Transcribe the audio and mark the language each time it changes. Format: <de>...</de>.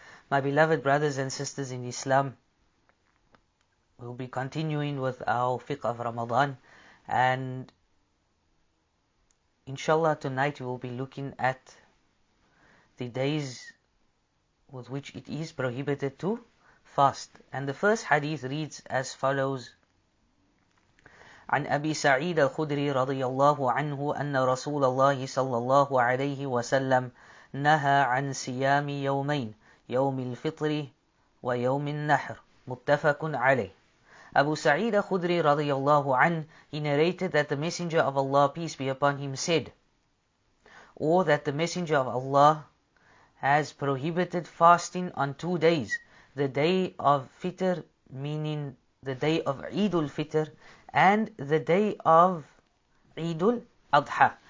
<en>My beloved brothers and sisters in Islam, we'll be continuing with our fiqh of Ramadan, and inshallah tonight we will be looking at the days with which it is prohibited to fast. And the first hadith reads as follows.</en> <ar>عن أبي سعيد الخدري رضي الله عنه أن رسول الله صلى الله عليه وسلم نهى عن صيام يومين يوم الفطر ويوم النحر متفق عليه.</ar> <en>أبو سعيد الخدري</en> <ar>رضي الله عنه,</ar> <en>he narrated that the messenger of Allah peace be upon him said, or that the messenger of Allah has prohibited fasting on two days, the day of Fitr, meaning the day of Eid al-Fitr, and the day of Eid al-Adha.</en>